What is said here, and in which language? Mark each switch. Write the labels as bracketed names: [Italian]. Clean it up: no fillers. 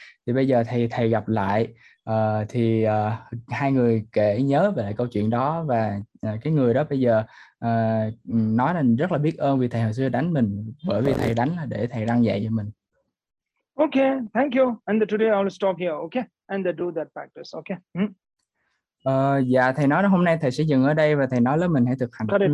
[Vietnamese] Thì bây giờ thầy gặp lại, thì hai người kể nhớ về câu chuyện đó, và cái người đó bây giờ nói là rất là biết ơn vì thầy hồi xưa đánh mình, bởi vì thầy đánh là để thầy răn dạy cho mình. [English] Okay, thank you. And today I'll stop here, okay? And do that practice, okay? [Vietnamese] Dạ, thầy nói là hôm nay thầy sẽ dừng ở đây và thầy nói là mình hãy thực hành.